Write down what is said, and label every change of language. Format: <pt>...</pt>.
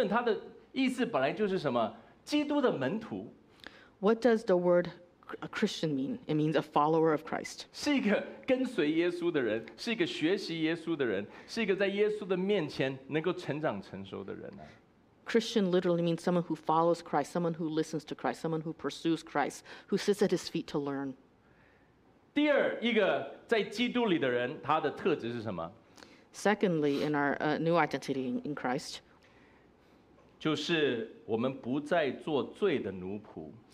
<zh>基督徒的基督徒这个名词，这个身份，它的意思本来就是什么？基督的门徒。</zh> <en>What does the word a Christian mean? It means a follower of Christ.</en> <zh>是一个跟随耶稣的人，是一个学习耶稣的人，是一个在耶稣的面前能够成长成熟的人啊。</zh> <en>Christian literally means someone who follows Christ, someone who listens to Christ, someone who pursues Christ, who sits at his feet to learn.</en> <zh>第二，一个在基督里的人，他的特质是什么？</zh> <en>Secondly, in our new identity in Christ,</en> <zh>就是我们不再做罪的奴仆。</zh>